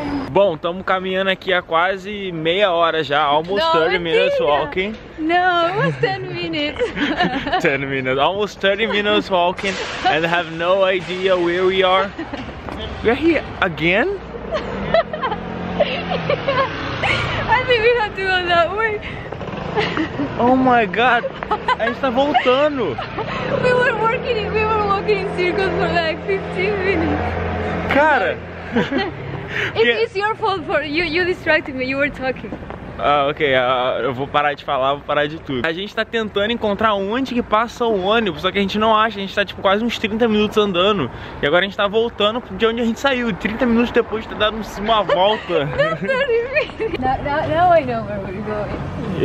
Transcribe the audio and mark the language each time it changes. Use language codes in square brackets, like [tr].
[pt] Bom, estamos caminhando aqui há quase meia hora já. [en] Almost 30 minutes walking. [pt] Não, [en] it was 10 minutes. 10 minutes. Almost 30 minutes walking and have no idea where we are. We're here again? I think we have to go that way. Oh my god, [pt] a gente tá voltando. [en] We were walking in circles for like 15 minutes. [pt] Cara, [en] it's your fault for you distracted me, you were talking. [pt] Ah, ok, eu vou parar de falar, vou parar de tudo. A gente tá tentando encontrar onde que passa o ônibus, só que a gente não acha, a gente tá tipo quase uns 30 minutos andando. E agora a gente tá voltando de onde a gente saiu, 30 minutos depois de ter dado uma volta. [en] Now I know where we're going.